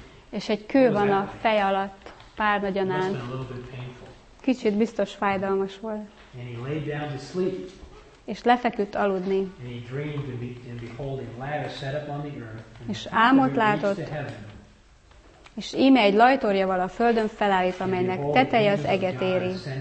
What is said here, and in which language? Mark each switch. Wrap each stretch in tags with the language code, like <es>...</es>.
<hu>És egy kő van a feje alatt, párnagyanán. Kicsit biztos fájdalmas volt.</hu> <en>And he laid down to sleep.</en> <hu>És lefeküdt aludni.</hu> <en>And he dreamed and behold a ladder set up on the earth.</en> <hu>És álmot látott. És íme egy lajtórjaval a földön felállít, amelynek teteje az eget éri.</hu>